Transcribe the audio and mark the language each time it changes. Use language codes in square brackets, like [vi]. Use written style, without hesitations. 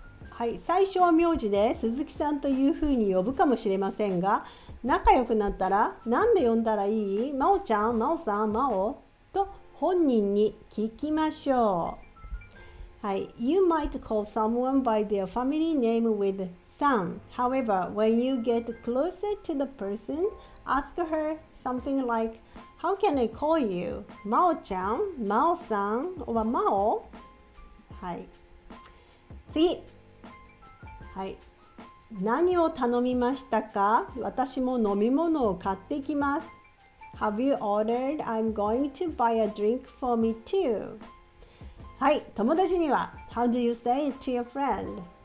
[ja] はい、最初は名字で鈴木さんというふうに呼ぶかもしれませんが、仲良くなったら何で呼んだらいい？まおちゃん、まおさん、まおと本人に聞きましょう。 [en] はい、You might call someone by their family name with son. However, when you get closer to the person, ask her something like, How can I call you? [ja] まおちゃん、まおさん、おばまお？はい。次。はい、何を頼みましたか？私も飲み物を買ってきます。 [en] Have you ordered? I'm going to buy a drink for me too. [ja] はい、友達には。 [en] How do you say it to your friend?